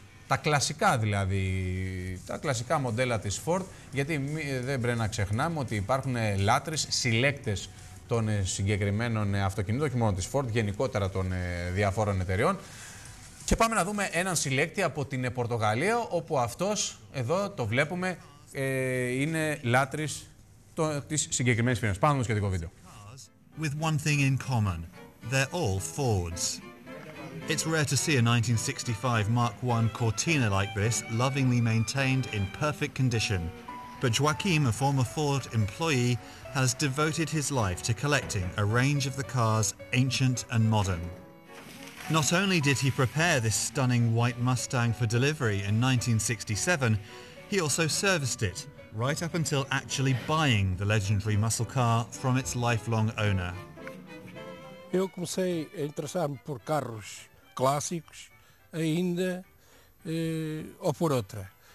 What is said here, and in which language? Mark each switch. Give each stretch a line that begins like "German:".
Greek: Τα κλασικά δηλαδή, τα κλασικά μοντέλα της Ford, γιατί δεν πρέπει να ξεχνάμε ότι υπάρχουν λάτρεις, συλλέκτες των συγκεκριμένων αυτοκινήτων, όχι μόνο της Ford, γενικότερα των διαφόρων εταιριών. Και πάμε να δούμε έναν συλλέκτη από την Πορτογαλία, όπου αυτός, εδώ το βλέπουμε, είναι λάτρης της συγκεκριμένης φίρμας. Πάμε στο σχετικό βίντεο.
English: With one thing in common, they're all Fords. It's rare to see a 1965 Mark 1 Cortina like this, lovingly maintained in perfect condition. But Joaquim, a former Ford employee, has devoted his life to collecting a range of the cars, ancient and modern. Not only did he prepare this stunning white Mustang for delivery in 1967, he also serviced it, right up until actually buying the legendary muscle car from its lifelong owner.
Portuguese: Eu comecei a interessar-me por carros clássicos, ainda, ou por outra.